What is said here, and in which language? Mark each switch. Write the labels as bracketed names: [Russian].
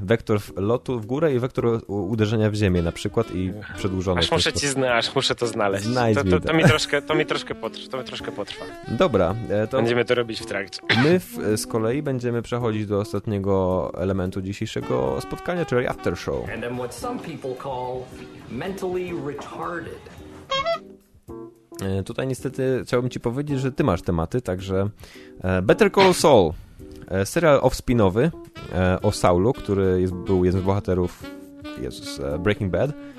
[Polish] Wektor lotu w górę i wektor uderzenia w ziemię na przykład i przedłużone. Aż muszę to znaleźć. To mi troszkę potrwa. Dobra. To będziemy to robić w trakcie. My z kolei będziemy przechodzić do ostatniego elementu dzisiejszego spotkania, czyli after show. [English] And I'm what some people call mentally retarded. [Polish] Tutaj niestety chciałbym ci powiedzieć, że ty masz tematy, także Better Call Saul. Serial offspinowy o Saulu, który był jednym z bohaterów Breaking Bad.